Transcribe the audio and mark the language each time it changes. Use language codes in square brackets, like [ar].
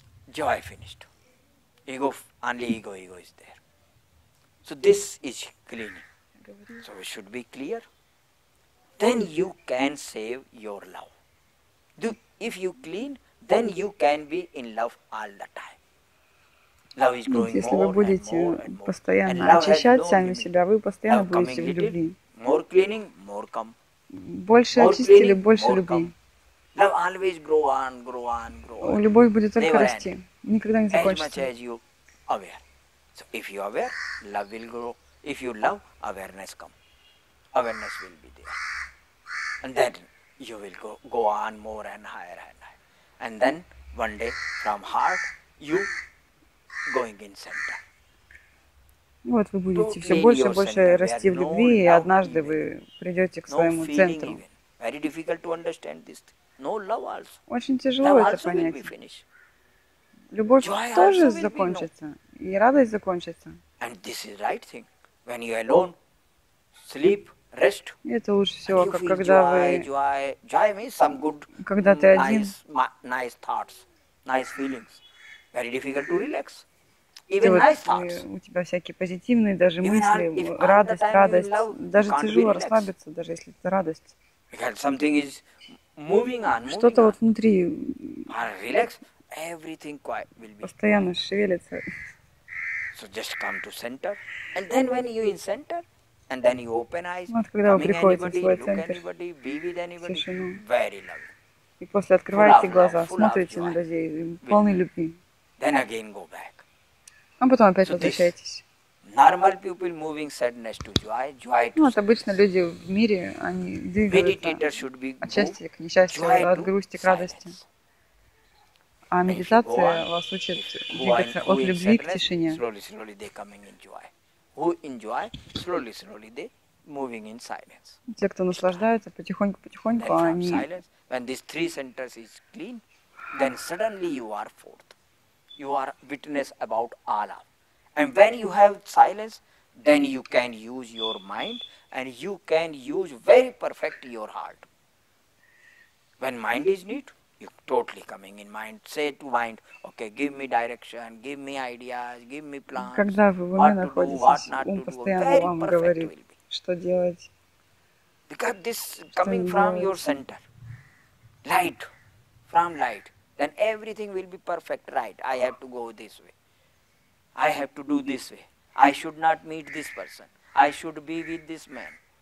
[en] Joy finished. Ego, only ego, ego is there. So this is cleaning. So it should be clear. Then you can save your love. If you clean, then you can be in love all the time. Love is growing more and more and more. [ru] Если вы будете постоянно очищать сами себя, вы постоянно будете в любви. [en] More cleaning, more come. [ru] Больше очистили, больше любви. [en] Love always grow on, grow on, grow on. [ru] Любовь будет только расти. Никогда не закончится. [en] As you aware. So if you aware, love will grow. If you love, awareness come. Awareness will be there. And then you will go on more and higher and higher. And then one day from heart, you going in center. [ru] Вот вы будете все больше и больше расти в любви, и однажды вы придете к своему центру. [en] Very difficult to understand this. No love also. [ru] Очень тяжело это понять. Любовь тоже закончится, и радость закончится. [en] And this is right thing. When you alone, sleep, rest. [ru] Это лучше всего, как когда вы. [en] Joy means some good. [ru] Когда ты один. [en] Nice thoughts, nice feelings. Very difficult to relax. Even nice thoughts. [ru] У тебя всякие позитивные даже мысли, радость, радость. Даже тяжело расслабиться, даже если это радость. [en] Because something is moving on. [ru] Что-то вот внутри. [en] Relax. Everything quiet will be. [ru] Постоянно шевелится. [en] So just come to center, and then when you in center, and then you open eyes. [ru] Вот когда вы приходите в свой центр. Тишину. [en] Very lovely. [ru] И после открываете глаза, смотрите на друзей, полны любви. [en] Then again go back. [ru] А потом опять возвращаетесь. [en] Normal people moving sadness to joy, joy to. [ru] Ну вот обычно люди в мире, они двигаются от счастья к несчастью, от грусти к радости. А медитация вас учит двигаться от любви к тишине. [en] Slowly they coming in joy. Who enjoy, slowly they moving in silence. [ru] Те, кто наслаждаются, потихоньку они. [en] When these three centers is clean, then suddenly you are fourth. You are witness about Allah. And when you have silence, then you can use your mind and you can use very perfect your heart. When mind is neat. You totally coming in mind. Say to mind, okay, give me direction, give me ideas, give me plans. [ru] Когда вы в уме находитесь, ум постоянно вам говорит, что делать. [en] Because this coming from your center, light, from light, then everything will be perfect, right? I have to go this way. I have to do this way. I should not meet this person. I should be with this man.